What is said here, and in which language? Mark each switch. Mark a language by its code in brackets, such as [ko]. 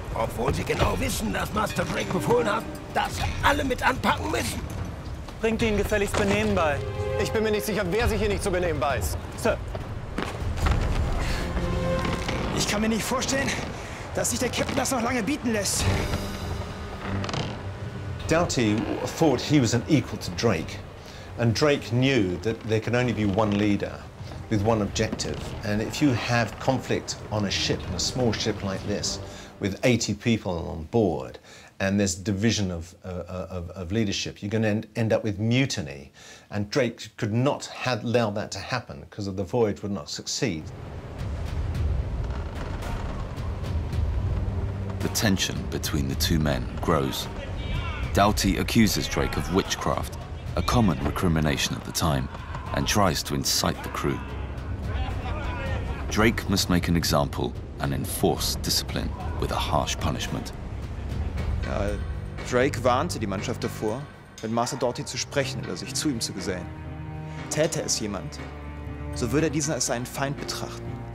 [de] Obwohl sie genau wissen, dass Master Drake befohlen hat, dass alle mit anpacken müssen. Bringt ihnen gefälligst Benehmen bei. Ich bin mir nicht sicher, wer sich hier nicht zu benehmen weiß. Sir. Ich kann mir nicht vorstellen, dass sich der Captain das noch lange bieten lässt. [en] Doughty thought he was an equal to Drake. And Drake knew that there can only be one leader with one objective. And if you have conflict on a ship, on a small ship like this, with 80 people on board, and there's division of leadership, you're going to end up with mutiny. And Drake could not have allowed that to happen, because the voyage would not succeed. The tension between the two men grows. Doughty accuses Drake of witchcraft, a common recrimination at the time, and tries to incite the crew. Drake must make an example and enforce discipline with a harsh punishment. [de] Drake warnte die Mannschaft davor, mit Master Doughty zu sprechen oder sich zu ihm zu gesellen. Täte es jemand, so würde er diesen als seinen Feind betrachten.